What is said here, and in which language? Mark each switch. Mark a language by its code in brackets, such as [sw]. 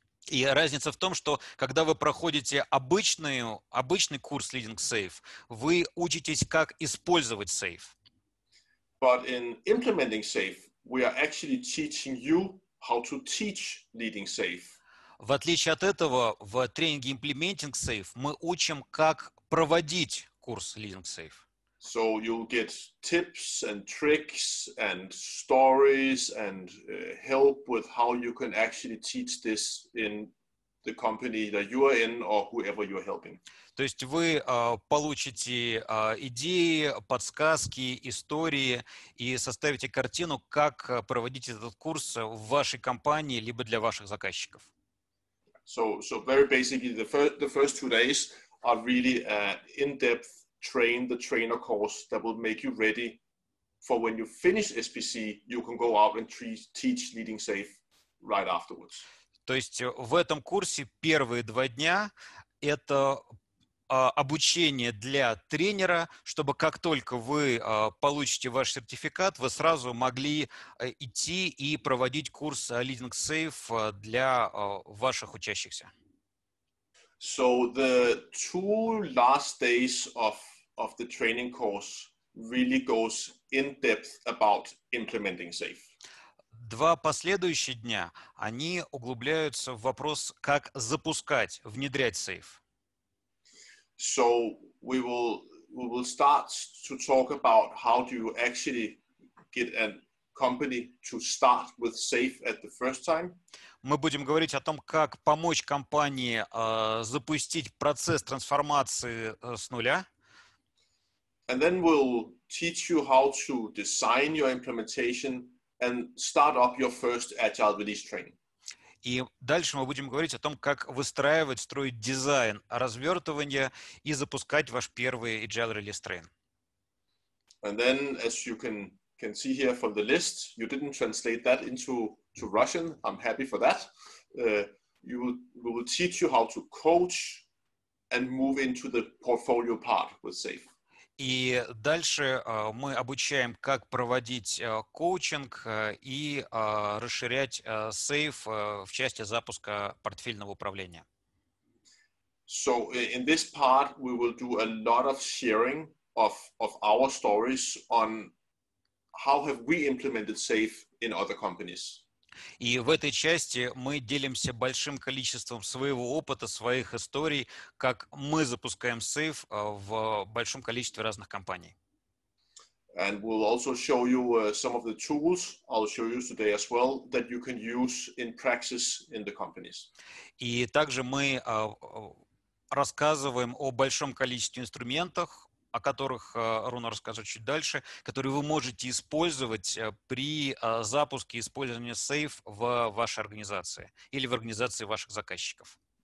[ru] И разница в том, что когда вы проходите обычный курс Leading SAFe, вы учитесь, как использовать SAFe. [en] But in implementing SAFe, we are actually teaching you how to teach Leading SAFe. [ru] В отличие от этого, в тренинге Implementing SAFe мы учим, как проводить курс Leading SAFe. [en] So you'll get tips and tricks and stories and help with how you can actually teach this in the company that you are in or whoever you're helping. [ru] То есть вы получите идеи, подсказки, истории и составите картину, как проводить этот курс в вашей компании либо для ваших заказчиков. [en] So very basically the first 2 days are really in-depth train the trainer course that will make you ready for when you finish SPC, you can go out and teach Leading SAFe right afterwards. [ru] То есть в этом курсе первые два дня это обучение для тренера, чтобы как только вы получите ваш сертификат, вы сразу могли идти и проводить курс Leading SAFe для ваших учащихся. [en] So the two last days of the training course really goes in depth about implementing SAFe. [ru] Два последующих дня они углубляются в вопрос, как запускать, внедрять SAFe. [en] So we will start to talk about how do you actually get a company to start with SAFe at the first time. [ru] Мы будем говорить о том, как помочь компании запустить процесс трансформации с нуля. [en] And then we'll teach you how to design your implementation and start up your first agile release training. [ru] И дальше мы будем говорить о том, как выстраивать, строить дизайн развертывания и запускать ваш первый Agile Release Train. [en] And then, as you can see here from the list, you didn't translate that into Russian. I'm happy for that. We will teach you how to coach and move into the portfolio part with SAFe. [ru] И дальше мы обучаем, как проводить коучинг и расширять SAFe в части запуска портфельного управления. [en] So in this part we will do a lot of sharing of our stories on how have we implemented SAFe in other companies. [ru] И в этой части мы делимся большим количеством своего опыта, своих историй, как мы запускаем SAFe в большом количестве разных компаний. [en] And we'll also show you some of the tools I'll show you today as well that you can use in practice in the companies. [ru] И также мы рассказываем о большом количестве инструментов, о которых Руна расскажет чуть дальше, которые вы можете использовать при запуске использования SAFe в вашей организации или в организации ваших заказчиков.